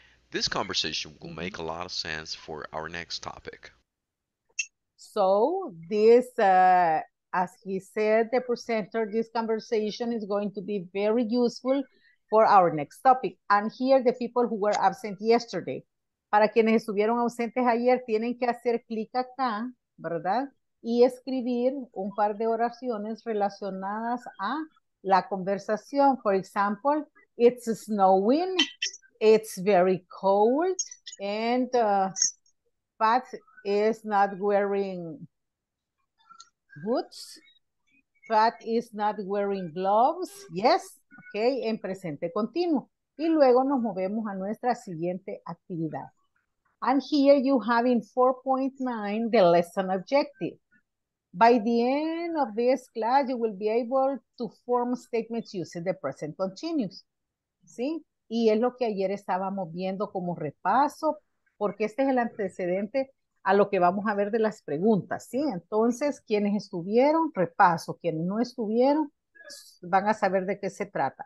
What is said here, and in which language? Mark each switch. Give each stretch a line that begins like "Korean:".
English: this conversation will make a lot of sense for our next topic. So this, as he said, the presenter, this conversation is going to be very useful for our next topic. And here, the people who were absent yesterday.
Spanish: Para quienes estuvieron ausentes ayer, tienen que hacer clic acá, ¿verdad? Y escribir un par de oraciones relacionadas a la conversación.
English: For example, it's snowing, it's very cold, and Pat is not wearing boots. Pat is not wearing gloves. Yes, okay,
Spanish: en presente continuo. Y luego nos movemos a nuestra siguiente actividad.
English: And here you have in 4.9 the lesson objective. By the end of this class, you will be able to form statements using the present continuous.
Spanish: ¿Sí? Y es lo que ayer estábamos viendo como repaso, porque este es el antecedente a lo que vamos a ver de las preguntas, ¿sí? Entonces, quienes estuvieron, repaso. Quienes no estuvieron, van a saber de qué se trata.